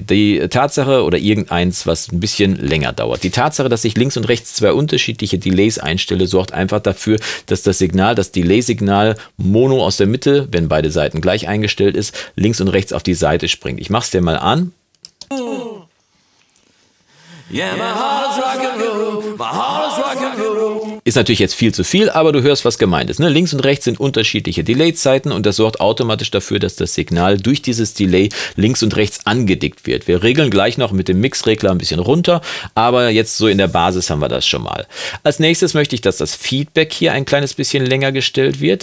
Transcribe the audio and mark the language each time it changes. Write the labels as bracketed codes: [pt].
[de] Die Tatsache, oder irgendeins, was ein bisschen länger dauert, die Tatsache, dass ich links und rechts zwei unterschiedliche Delays einstelle, sorgt einfach dafür, dass das Signal, das Delay-Signal, mono aus der Mitte, wenn beide Seiten gleich eingestellt ist, links und rechts auf die Seite springt. Ich mach's dir mal an. [en] Yeah, my heart is rock and roll, my heart is rock and roll. [de] Ist natürlich jetzt viel zu viel, aber du hörst, was gemeint ist. Ne? Links und rechts sind unterschiedliche Delay-Zeiten und das sorgt automatisch dafür, dass das Signal durch dieses Delay links und rechts angedickt wird. Wir regeln gleich noch mit dem Mixregler ein bisschen runter, aber jetzt so in der Basis haben wir das schon mal. Als nächstes möchte ich, dass das Feedback hier ein kleines bisschen länger gestellt wird.